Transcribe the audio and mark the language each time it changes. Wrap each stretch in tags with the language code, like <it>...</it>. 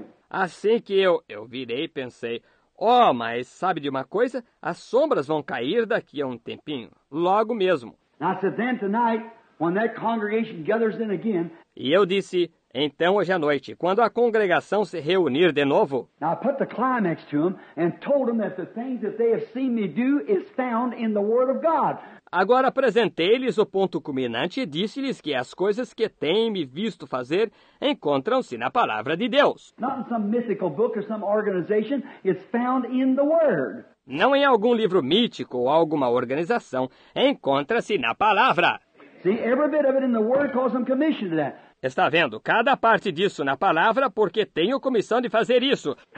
<pt>Assim que eu virei e pensei, oh, mas sabe de uma coisa? As sombras vão cair daqui a um tempinho, logo mesmo.</pt> <en>I said, then tonight, when that congregation gathers in again,</en> <pt>e eu disse, então hoje à noite, quando a congregação se reunir de novo,</pt> <en>I put the climax to them and told them that the things that they have seen me do is found in the Word of God.</en> <pt>Agora apresentei-lhes o ponto culminante e disse-lhes que as coisas que têm me visto fazer encontram-se na palavra de Deus.</pt> <en>Not in some mythical book or some organization, it's found in the Word.</en> <pt>Não em algum livro mítico ou alguma organização, encontra-se na palavra.</pt> <en>See, every bit of it in the Word calls them commissioned to that.</en> <pt>Está vendo? Cada parte disso na palavra, porque tenho comissão de fazer isso.</pt>